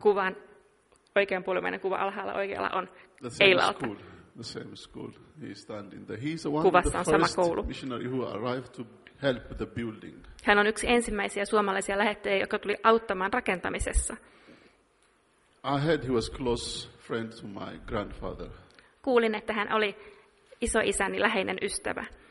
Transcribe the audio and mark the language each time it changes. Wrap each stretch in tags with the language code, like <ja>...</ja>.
<fi>Kuvan oikeanpuolimmainen kuva alhaalla oikealla on</fi> <en>Eilalta. The same school. He's standing there. He's one</en> <fi>kuvassa</fi> <en>of the first missionary who arrived to help the building.</en> <fi>Hän on yksi ensimmäisiä suomalaisia lähettejä, joka tuli auttamaan rakentamisessa.</fi> <en>I heard he was close friend to my grandfather.</en> <fi>Kuulin, että hän oli isoisäni läheinen ystävä.</fi>